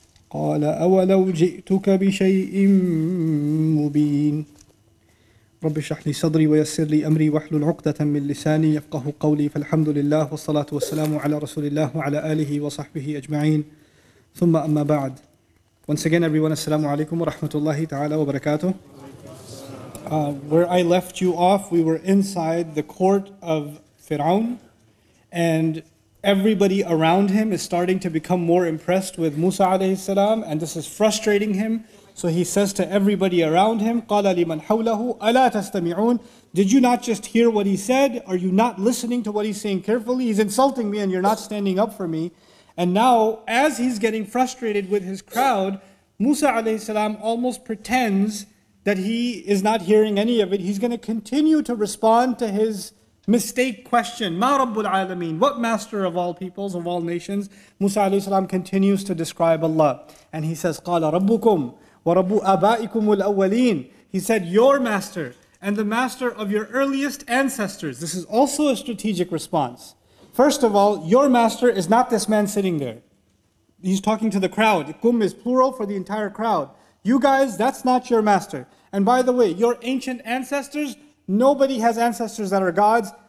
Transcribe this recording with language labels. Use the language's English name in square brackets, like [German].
[Arabic] قال أولو جئتك بشيء مبين. رب اشرح لي صدري ويسر لي أمري واحلل عقدة من لساني يفقه قولي. فالحمد لله والصلاة والسلام على رسول الله وعلى آله وصحبه أجمعين. ثم أما بعد. [English] Once again everyone, [Arabic] السلام عليكم ورحمة الله تعالى وبركاته. [English] Where I left you off, we were inside the court of Fir'aun, and everybody around him is starting to become more impressed with Musa alayhi salam, and this is frustrating him. So he says to everybody around him, [Arabic] قَالَ لِمَنْ حَوْلَهُ أَلَا تَسْتَمِعُونَ. [English] Did you not just hear what he said? Are you not listening to what he's saying carefully? He's insulting me and you're not standing up for me. And now, as he's getting frustrated with his crowd, Musa alayhi salam almost pretends that he is not hearing any of it. He's going to continue to respond to his mistake question. [Arabic] مَا رَبُّ الْعَالَمِينَ. [English] What master of all peoples, of all nations? Musa alayhi salam continues to describe Allah. And he says, [Arabic] قَالَ رَبُّكُمْ وَرَبُّ أَبَائِكُمُ الْأَوَّلِينَ. [English] He said, your master and the master of your earliest ancestors. This is also a strategic response. First of all, your master is not this man sitting there. He's talking to the crowd. كُم is plural for the entire crowd. You guys, that's not your master. And by the way, your ancient ancestors, nobody has ancestors that are gods.